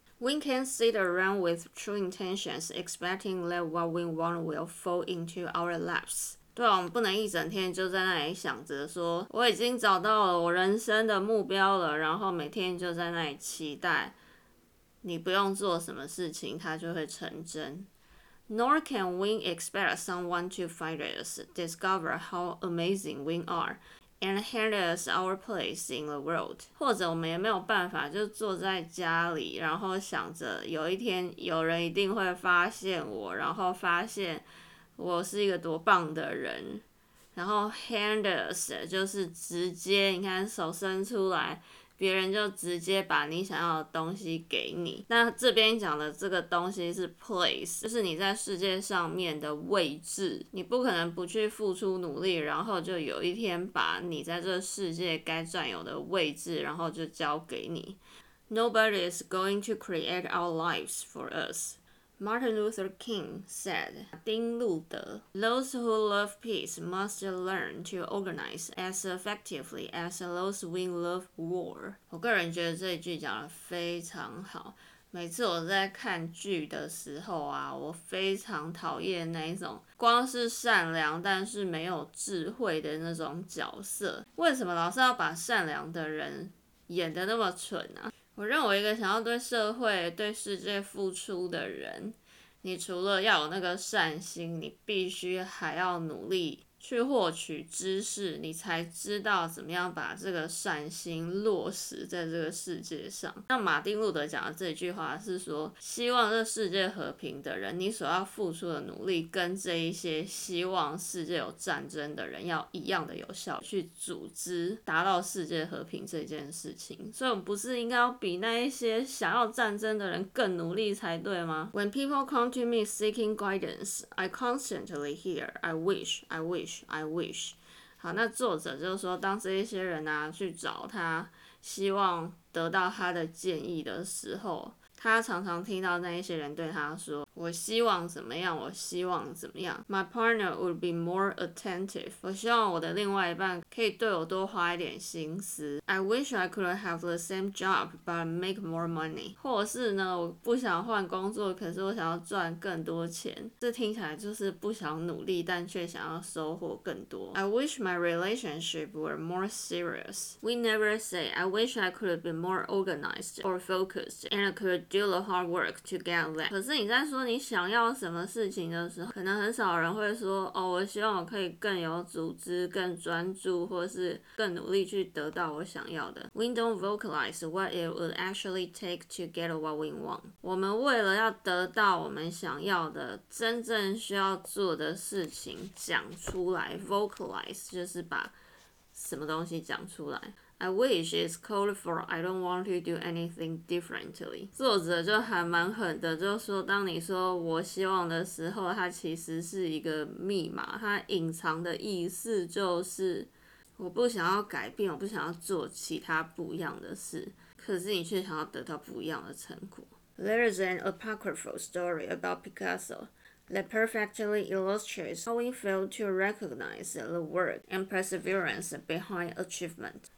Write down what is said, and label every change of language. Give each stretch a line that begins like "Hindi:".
English: We can't sit around with true intentions expecting that what we want will fall into our laps.
Chinese: 对啊，我们不能一整天就在那里想着说我已经找到了我人生的目标了，然后每天就在那里期待你不用做什么事情它就会成真。
English: Nor can we expect someone to find us, discover how amazing we are. And hand us our place in the world.
Chinese: 或者我们也没有办法就坐在家里然后想着有一天有人一定会发现我，然后发现我是一个多棒的人。然后
English: hand us
Chinese: 就是直接，你看手伸出来，别人就直接把你想要的东西给你。那这边讲的这个东西是 place， 就是你在世界上面的位置。你不可能不去付出努力，然后就有一天把你在这世界该占有的位置，然后就交给你。
English: Nobody is going to create our lives for us. Martin Luther King said, 丁路德 Those who love peace must learn to organize as effectively as those who love war.
Chinese: 我个人觉得这一句讲得非常好。每次我在看剧的时候啊，我非常讨厌那一种光是善良但是没有智慧的那种角色。为什么老是要把善良的人演得那么蠢啊？我认为一个想要对社会对世界付出的人，你除了要有那个善心，你必须还要努力去获取知识，你才知道怎么样把这个善心落实在这个世界上。那马丁路德讲的这句话是说，希望这世界和平的人，你所要付出的努力跟这一些希望世界有战争的人要一样的有效，去组织达到世界和平这件事情。所以我们不是应该要比那一些想要战争的人更努力才对吗？
English: When people come to me seeking guidance, I constantly hear, I wish.
Chinese: 好，那作者就是说，当这一些人啊去找他，希望得到他的建议的时候，他常常听到那一些人对他说：“我希望怎么样？我希望怎么样 ？”
English: My partner would be more attentive.
Chinese: 我希望我的另外一半可以对我多花一点心思。
English: I wish I could have the same job but make more money.
Chinese: 或是呢，我不想换工作，可是我想要赚更多钱。这听起来就是不想努力，但却想要收获更多。
English: I wish my relationship were more serious. We never say I wish I could be more organized or focused and could do the hard work to get that.
Chinese: 可是你在说你想要什么事情的时候，可能很少人会说哦，我希望我可以更有组织、更专注，或是更努力去得到我想要的。
English: We don't vocalize what it would actually take to get what we want。
Chinese: 我们为了要得到我们想要的，真正需要做的事情讲出来 ，vocalize 就是把什么东西讲出来。
English: I wish it's code for I don't want to do anything differently.
Chinese: 作者就还蛮狠的，就说当你说我希望的时候，它其实是一个密码，它隐藏的意思就是我不想要改变，我不想要做其他不一样的事，可是你却想要得到不一样的成果。
English: There is an apocryphal story about Picasso. That perfectly illustrates how we fail to recognize the work and perseverance behind achievement.